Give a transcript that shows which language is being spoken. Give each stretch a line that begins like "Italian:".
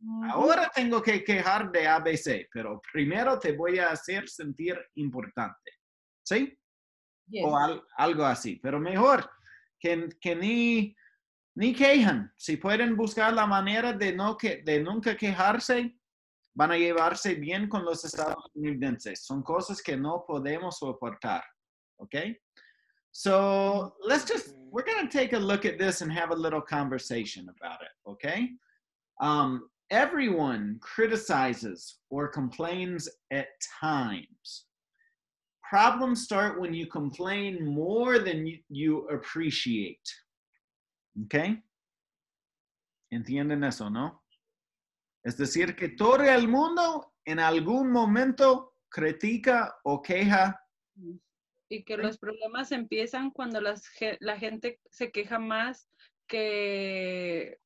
Spanish: Ahora tengo que quejar de ABC, pero primero te voy a hacer sentir importante, ¿sí?
English: Yes.
Spanish: O algo así, pero mejor que ni quejan. Si pueden buscar la manera de nunca quejarse, van a llevarse bien con los estadounidenses. Son cosas que no podemos soportar, ¿ok?
English: So, we're going to take a look at this and have a little conversation about it, ¿ok? Everyone criticizes or complains at times. Problems start when you complain more than you appreciate.
Spanish: Okay? ¿Entienden eso, no? Es decir, que todo el mundo en algún momento critica o queja. Y que los problemas empiezan cuando la gente se queja más que...